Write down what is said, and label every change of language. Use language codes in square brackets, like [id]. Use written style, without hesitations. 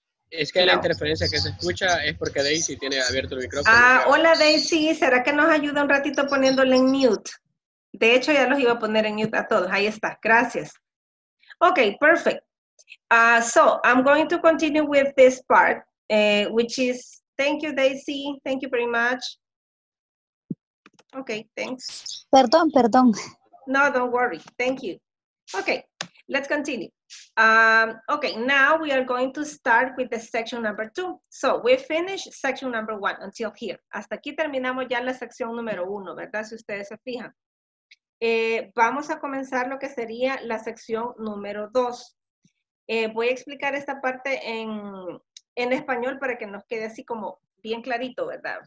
[es] Es que no. La interferencia que se escucha es porque Daisy tiene abierto el micrófono. Hola Daisy, ¿será que nos ayuda un ratito poniéndole en mute? De hecho, ya los iba a poner en mute a todos. Ahí está. Gracias. [en] Okay, perfect. So I'm going to continue with this part, which is, thank you, Daisy. Thank you very much. Okay, thanks. [es] Perdón. [en] No, don't worry. Thank you. Okay, let's continue. Okay, now we are going to start with the section number two. So we finished section number one until here. [es] Hasta aquí terminamos ya la sección número uno, ¿verdad? Si ustedes se fijan. Vamos a comenzar lo que sería la sección número 2. Voy a explicar esta parte en español para que nos quede así como bien clarito, ¿verdad?